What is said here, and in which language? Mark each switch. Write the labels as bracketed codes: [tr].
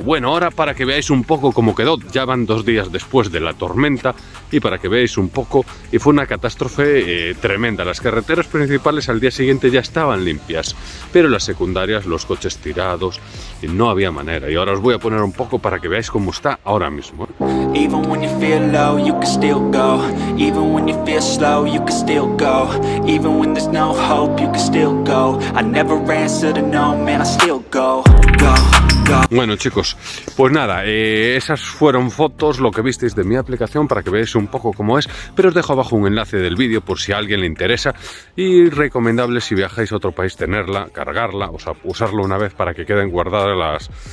[es] Bueno, ahora para que veáis un poco cómo quedó, ya van 2 días después de la tormenta, y para que veáis un poco, y fue una catástrofe tremenda. Las carreteras principales al día siguiente ya estaban limpias, pero las secundarias, los coches tirados, y no había manera. Y ahora os voy a poner un poco para que veáis cómo está ahora mismo. [en] Even when you feel low, you can still go. Even when you feel slow, you can still go. Even when there's no hope, you can still go. I never answer to no, man, I still go. Go. [es] Bueno, chicos, pues nada, esas fueron fotos, lo que visteis de mi aplicación, para que veáis un poco cómo es, pero os dejo abajo un enlace del vídeo por si a alguien le interesa, y recomendable si viajáis a otro país tenerla, cargarla, o sea, usarlo una vez para que queden guardadas